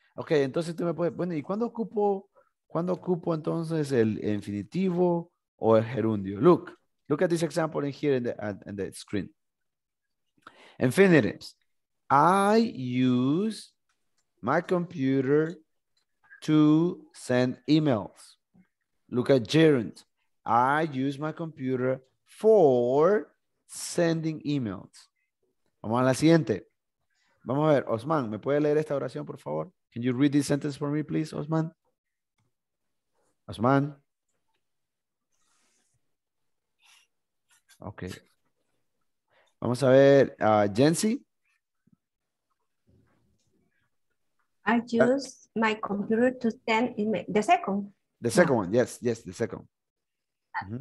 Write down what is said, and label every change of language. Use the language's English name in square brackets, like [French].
[Spanish] Ok, entonces tú me puedes, bueno, ¿y cuándo ocupo entonces el infinitivo o el gerundio? [English] Look at this example in here in the screen. Infinitives. I use my computer to send emails. Look at gerund. I use my computer for sending emails. [Spanish] Vamos a la siguiente. Vamos a ver, Osman, ¿me puede leer esta oración, por favor? [English] Can you read this sentence for me, please, Osman? Osman. [Spanish] Okay. Vamos a ver, Jency. [English] I use my computer to send email. The second one.